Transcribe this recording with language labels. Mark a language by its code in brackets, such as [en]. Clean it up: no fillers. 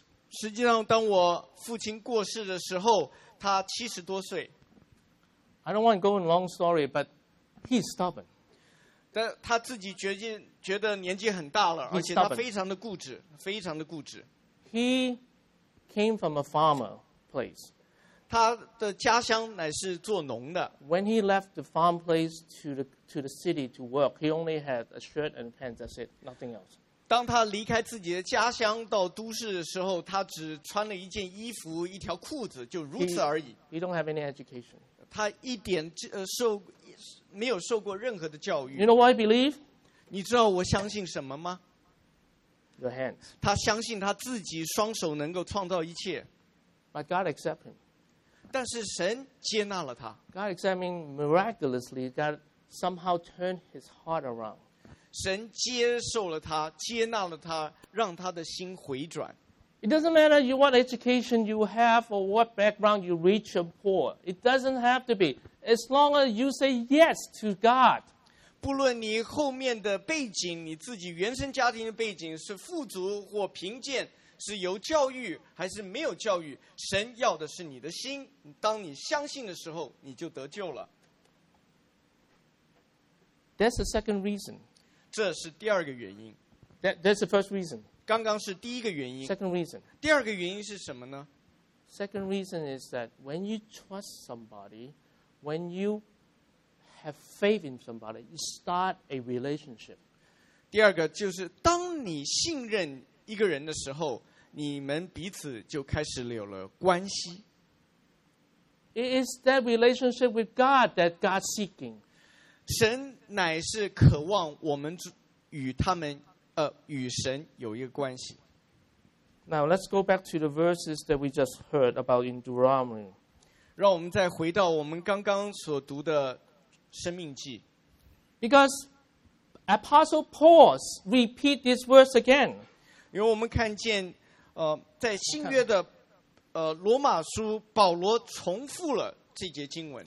[zh] 实际上当我父亲过世的时候他70多岁。 [en] I don't want to go in a long story, but he's stubborn. [zh] 但他自己觉得年纪很大了，而且他非常的固执，非常的固执。 [en] He came from a farmer place. [zh] 他的家乡乃是做农的。 [en] When he left the farm place to the city to work, he only had a shirt and pants, that's it, nothing else. [zh] 当他离开自己的家乡到都市的时候，他只穿了一件衣服、一条裤子，就如此而已。 [en] He don't have any education. [zh] 他一点没有受过任何的教育。 [en] You know what I believe? [zh] 你知道我相信什么吗 [en] ？Your hands. [zh] 他相信他自己双手能够创造一切。 [en] But God accept him. [zh] 但是神接纳了他。 [en] God examined miraculously. God somehow turned his heart around. [zh] 神接受了他，接纳了他，让他的心回转。 [en] It doesn't matter you what education you have or what background you rich or poor. It doesn't have to be. As long as you say yes to God. [zh] 不论你后面的背景，你自己原生家庭的背景是富足或贫贱，是有教育还是没有教育，神要的是你的心。当你相信的时候，你就得救了。 [en] That's the second reason. [zh] 这是第二个原因。 [en] That's the first reason. [zh] 刚刚是第一个原因。 [en] Second reason. [zh] 第二个原因是什么呢？ [en] Second reason is that when you trust somebody, when you have faith in somebody, you start a relationship. [zh] 第二个就是当你信任一个人的时候，你们彼此就开始有了关系。 [en] It is that relationship with God that God's seeking. [zh] 神乃是渴望我们与他们与神有一个关系。 [en] Now let's go back to the verses that we just heard about in Deuteronomy. [zh] 让我们再回到我们刚刚所读的生命记。 [en] Because Apostle Paul repeat this verse again. [zh] 因为我们看见在新约的罗马书保罗重复了这节经文。